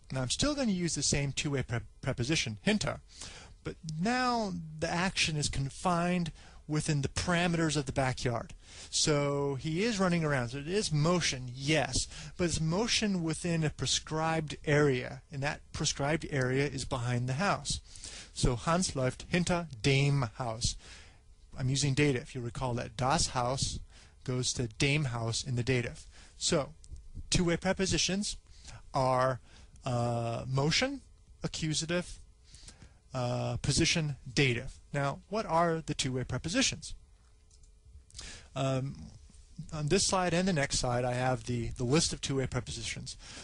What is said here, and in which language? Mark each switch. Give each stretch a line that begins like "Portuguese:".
English: Now, I'm still going to use the same two-way preposition hinter, but now the action is confined within the parameters of the backyard. So he is running around. So it is motion, yes, but it's motion within a prescribed area, and that prescribed area is behind the house.
German: So Hans läuft hinter dem Haus.
English: I'm using dative. You'll recall that
German: das Haus
English: goes to
German: dem Haus
English: in the dative. So two-way prepositions are motion, accusative, position, dative. Now, what are the two-way prepositions? On this slide and the next slide, I have the list of two-way prepositions.